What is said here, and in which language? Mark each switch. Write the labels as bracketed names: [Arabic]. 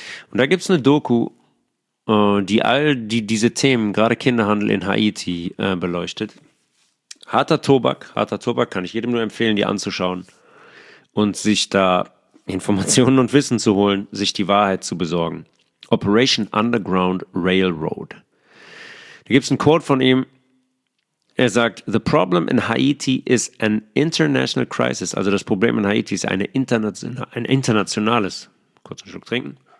[German] Und da gibt es eine Doku, die all diese Themen, gerade Kinderhandel in Haiti, beleuchtet. Harter Tobak, kann ich jedem nur empfehlen, die anzuschauen und sich da Informationen und Wissen zu holen, sich die Wahrheit zu besorgen. Operation Underground Railroad. Da gibt es ein Quote von ihm, er sagt, [English] the problem in Haiti is an international crisis, [German] also das Problem in Haiti ist ein internationales, kurzen Schluck trinken,